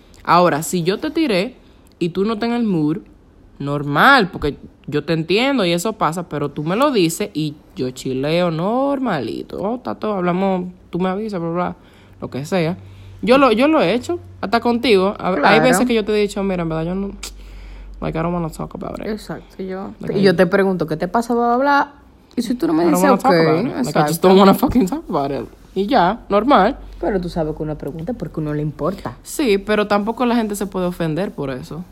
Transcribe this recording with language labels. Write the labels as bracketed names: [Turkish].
[Spanish] Ahora, si yo te tiré y tú no tengas el mood, normal, porque yo te entiendo y eso pasa, pero tú me lo dices y yo chileo normalito. Oh, tato, hablamos, tú me avisas, bla, bla, lo que sea. Yo lo he hecho, hasta contigo. Claro. Hay veces que yo te he dicho, mira, en verdad, yo no... [English] Like, I don't wanna talk about it. [Spanish] Exacto, yo... Like, y yo te pregunto, ¿qué te pasa, bla, bla, bla? Y si tú no me dices, ok, [English] like, I just don't wanna fucking talk about it. [Spanish] Y ya, normal. Pero tú sabes que uno pregunta porque uno le importa. Sí, pero tampoco la gente se puede ofender por eso.